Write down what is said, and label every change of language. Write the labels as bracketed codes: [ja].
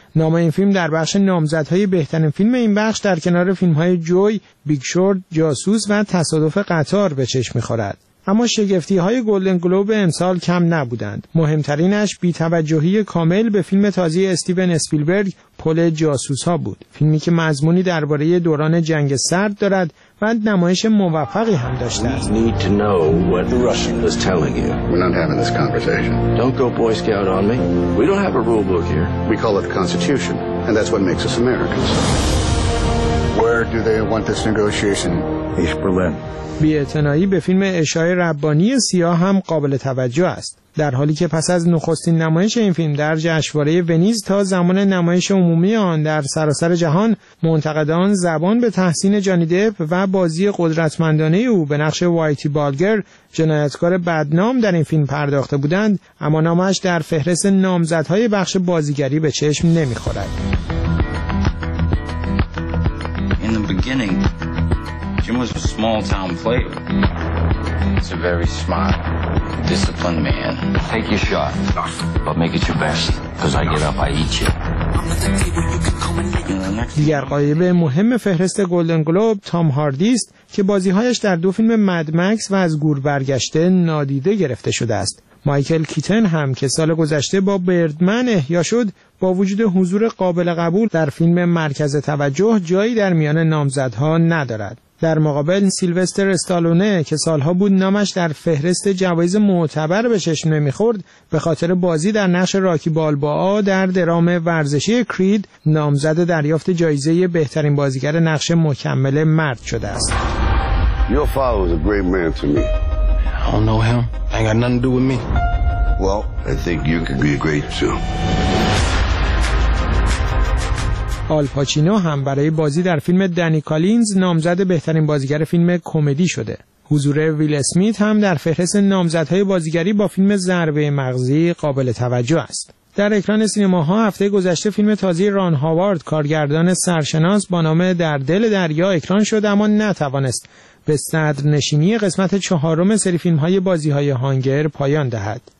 [fa] نام این فیلم در بخش نامزدهای بهترین فیلم این بخش در کنار فیلم‌های جوی، بیگ شورت، جاسوس و تصادف قطار به چشم می‌خورد. اما شگفتی‌های گلدن گلوب امسال کم نبودند. مهمترینش بی‌توجهی کامل به فیلم تازه استیون اسپیلبرگ پل جاسوس‌ها بود. فیلمی که مضمونی درباره دوران جنگ سرد دارد و نمایش موفقی هم داشته است. [en] We need to know what the Russian is telling you. We're not having this conversation. Don't go boy scout on me. We don't have a rule book here. We call it the Constitution, and that's what makes us Americans. Where do they want this negotiation ایش Berlin. [fa] بی‌اعتنایی به فیلم اشای ربانی سیاه هم قابل توجه است، در حالی که پس از نخستین نمایش این فیلم در جشنواره ونیز تا زمان نمایش عمومی آن در سراسر جهان، منتقدان زبان به تحسین جانی دپ و بازی قدرتمندانه او به نقش وایتی بالگر، جنایتکار بدنام در این فیلم پرداخته بودند، اما نامش در فهرست نامزدهای بخش بازیگری به چشم نمی‌خورد. [en] Jim was a small town player. He's a very smart, disciplined man. Take your shot, but make it your best, because I get up, I eat you. [fa] دیگر غایب مهم فهرست گلدن گلوب تام هاردی است که بازیهایش در دو فیلم مد مکس و از گور برگشته نادیده گرفته شده است. مایکل کیتن هم که سال گذشته با بردمن احیا شد، با وجود حضور قابل قبول در فیلم مرکز توجه جایی در میان نامزدها ندارد. در مقابل سیلوستر استالونه که سالها بود نامش در فهرست جوایز معتبر به چشم نمی‌خورد، به خاطر بازی در نقش راکی بالبا در درام ورزشی کرید نامزد دریافت جایزه بهترین بازیگر نقش مکمل مرد شده است. [en] Your father was a great man to me. I don't know him. I got nothing to do with me. Well, I think you could be great too. [fa] آل پاچینو هم برای بازی در فیلم دنی کالینز نامزد بهترین بازیگر فیلم کمدی شده. حضور ویل اسمیت هم در فهرست نامزدهای بازیگری با فیلم ضربه مغزی قابل توجه است. در اکران سینماها هفته گذشته فیلم تازه ران هاوارد کارگردان سرشناس با نام در دل دریا اکران شد، اما نتوانست به صدر نشینی قسمت چهارم سری فیلم‌های بازی‌های هانگر پایان دهد.